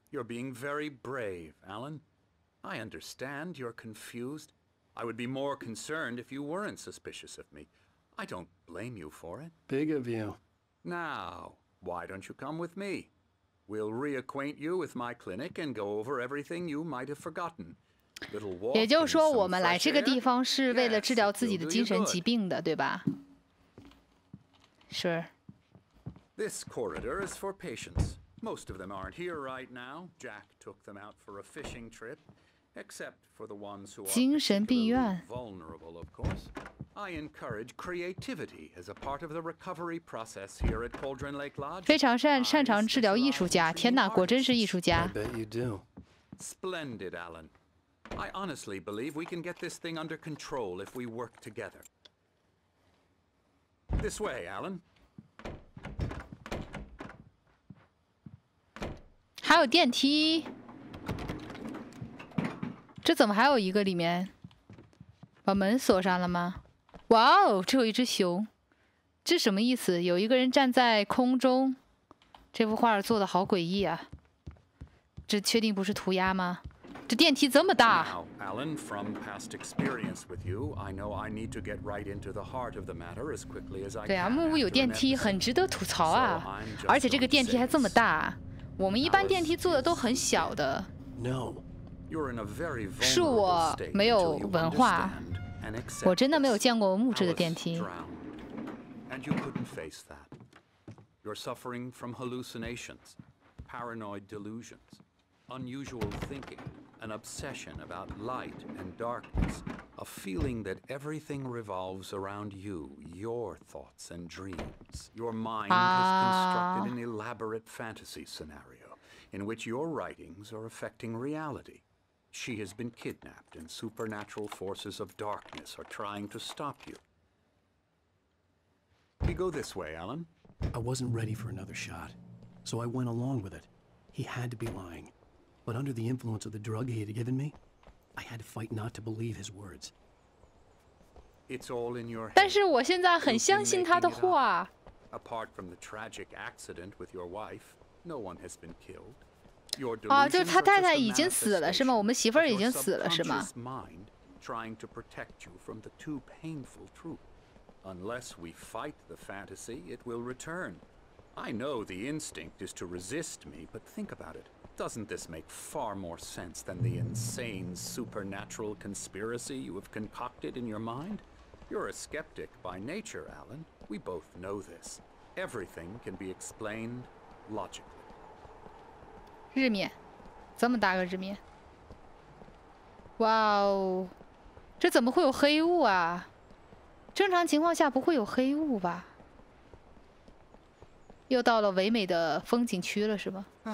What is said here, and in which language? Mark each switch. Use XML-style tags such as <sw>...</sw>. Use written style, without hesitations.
<en>You're being very brave, Alan. I understand you're confused. I would be more concerned if you weren't suspicious of me. I don't blame you for it. Big of you. Now, why don't you come with me? We'll reacquaint you with my clinic and go over everything you might have forgotten. Little walk.</en> <zh>也就是说，我们来这个地方是为了治疗自己的精神疾病的，对吧 ？</zh> <en>Sure. This corridor is for patients. Most of them aren't here right now. Jack took them out for a fishing trip, except for the ones who are.</en> <zh>精神病院。</zh> <en>Vulnerable, of course. I encourage creativity as a part of the recovery process here at Cauldron Lake Lodge.</en> <zh>非常擅长治疗艺术家。天哪，果真是艺术家。</zh> <en>I bet you do. Splendid, Alan. I honestly believe we can get this thing under control if we work together. This way, Alan.</en> <zh>还有电梯。这怎么还有一个里面？把门锁上了吗？哇哦，这有一只熊，这什么意思？有一个人站在空中，这幅画做的好诡异啊！这确定不是涂鸦吗？这电梯这么大。</zh> <en>Now, Alan, from past experience with you, I know I need to get right into the heart of the matter as quickly as I can.</en> <zh>对啊，木屋有电梯，很值得吐槽啊！</zh> <en>So、</en> <zh>而且这个电梯还这么大，我们一般电梯做的都很小的。</zh> <en>No, you're in a very vulnerable state.</en> <zh>是我没有文化。我真的没有见过木质的电梯。</zh> <en>And you couldn't face that. You're suffering from hallucinations, paranoid delusions, unusual thinking, an obsession about light and darkness, a feeling that everything revolves around you, your thoughts and dreams. Your mind has constructed an elaborate fantasy scenario in which your writings are affecting reality. She has been kidnapped, and supernatural forces of darkness are trying to stop you. We go this way, Alan. I wasn't ready for another shot, so I went along with it. He had to be lying. But under the influence of the drug he had given me, I had to fight not to believe his words. It's all in your head.</en> <zh>但是我现在很相信他的话。</zh> <en>Apart from the tragic accident with your wife, no one has been killed.</en> <zh>啊，就是他太太已经死了是吗？我们媳妇儿已经死了是吗？</zh> <en>trying to protect you from the too painful truth. Unless we fight the fantasy, it will return. I know the instinct is to resist me, but think about it. Doesn't this make far more sense than the insane supernatural conspiracy you have concocted in your mind? You're a skeptic by nature, Alan. We both know this. Everything can be explained logically.</en> <zh>日冕，这么大个日冕。哇哦，这怎么会有黑雾啊？正常情况下不会有黑雾吧？又到了唯美的风景区了，是吗？</zh>